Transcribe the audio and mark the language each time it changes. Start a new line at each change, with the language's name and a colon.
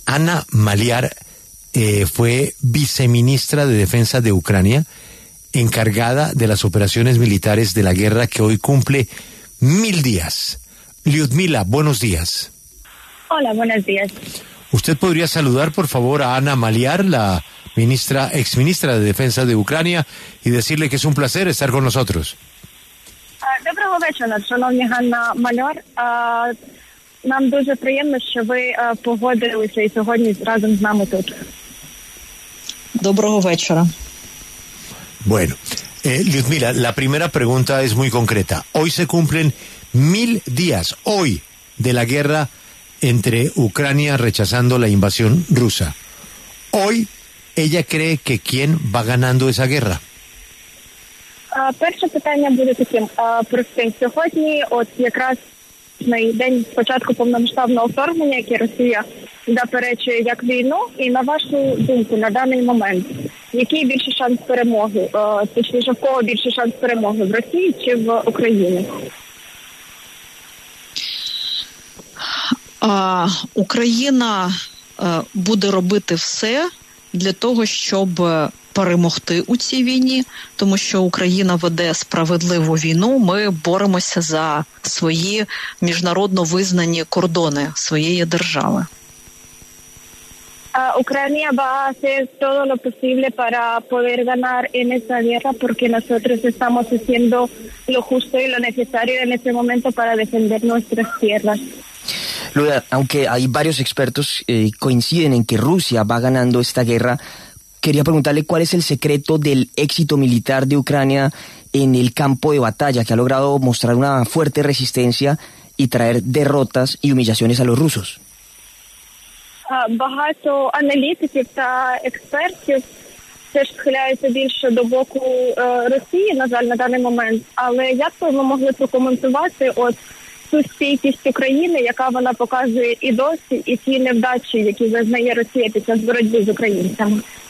Spanish: Ana Maliar fue viceministra de Defensa de Ucrania, encargada de las operaciones militares de la guerra que hoy cumple 1000 días. Lyudmila, buenos días. Hola, buenos días. ¿Usted podría saludar, por favor, a Ana Maliar, la ministra, exministra de Defensa de Ucrania, y decirle que es un placer estar con nosotros?
Ukrainian: Доброго вечора, шановні Ганна Маляр. Нам дуже приємно, що ви погодилися і сьогодні разом з нами тут. Доброго вечора.
Spanish: Bueno, Lyudmila, la primera pregunta es muy concreta. Hoy se cumplen 1000 días, hoy, de la guerra entre Ucrania rechazando la invasión rusa. Hoy, ¿ella cree que quién va ganando esa guerra?
Ukrainian: Перше питання буде таким простим. Сьогодні, от якраз на день початку повномасштабного вторгнення, яке Росія заперечує як війну, і на вашу думку, на даний момент, який більший шанс перемоги, точніше, в кого більший шанс перемоги, в Росії чи в Україні? Україна буде робити все для того, щоб перемогти у цій війні, тому що Україна веде справедливу війну, ми боремося за свої міжнародно визнані кордони своєї держави.
Spanish: Україна va a hacer todo lo posible para poder ganar en esta guerra porque nosotros estamos haciendo lo justo y lo necesario en este momento para defender nuestras tierras. Luda, aunque hay varios expertos coinciden en que Rusia va ganando esta guerra, quería preguntarle cuál es el secreto del éxito militar de Ucrania en el campo de batalla, que ha logrado mostrar una fuerte resistencia y traer derrotas y humillaciones a los rusos.
Ukrainian: Багато аналітиків та експертів теж схиляються більше до боку Росії, на жаль, на даний момент. Але як би ви могли прокоментувати от ту стійкість України, яка вона показує і досі, і ті невдачі, які зазнає Росія під час боротьби з українцями?